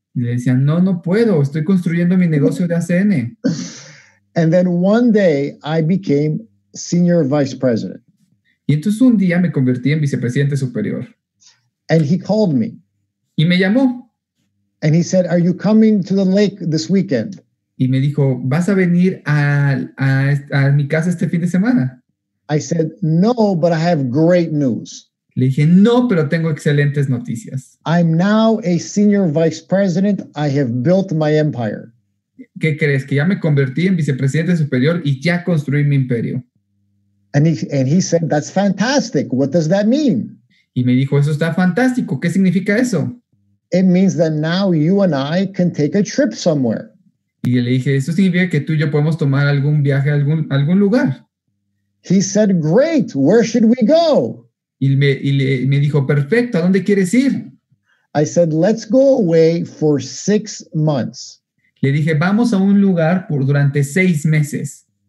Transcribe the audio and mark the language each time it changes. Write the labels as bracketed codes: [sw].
[es] Y le decía, no, no puedo. Estoy construyendo mi negocio de ACN. [en] And then one day I became senior vice president. [es] Y entonces un día me convertí en vicepresidente superior. [en] And he called me. [es] Y me llamó. [en] And he said, are you coming to the lake this weekend? [es] Y me dijo, ¿vas a venir a mi casa este fin de semana? [en] I said, no, but I have great news. [es] Le dije, no, pero tengo excelentes noticias. [en] I'm now a senior vice president. I have built my empire. [es] ¿Qué crees? Que ya me convertí en vicepresidente superior y ya construí mi imperio. [en] And he said, that's fantastic. What does that mean? [es] Y me dijo, eso está fantástico. ¿Qué significa eso? [en] It means that now you and I can take a trip somewhere. [es] Y le dije, eso significa que tú y yo podemos tomar algún viaje a algún lugar. [en] He said, great, where should we go? [es] Y me dijo, perfecto, ¿a dónde quieres ir? [en] I said, let's go away for 6 months. [es] Le dije, vamos a un lugar durante 6 meses.